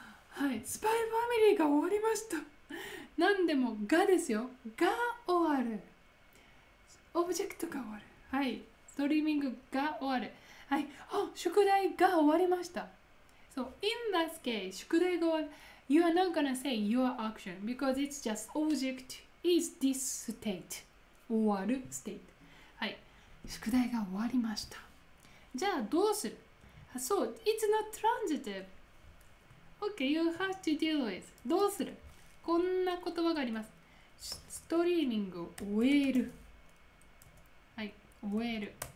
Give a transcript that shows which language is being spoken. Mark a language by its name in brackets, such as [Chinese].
[Japanese] はい、スパイファミリーが終わりました。何でもがですよ。が終わる。オブジェクトが終わる。はい、ストリーミングが終わる。はい、あ、宿題が終わりました。 [English] So, in that case, 宿題が終わる。 You are not gonna say your action because it's just object is this state. [Japanese] 終わる state. はい、宿題が終わりました。 [English] じゃあどうする？ So, it's not transitive. Okay, you have to deal with. どうする？ [Japanese] こんな言葉があります。ストリーミングを終える。はい、終える。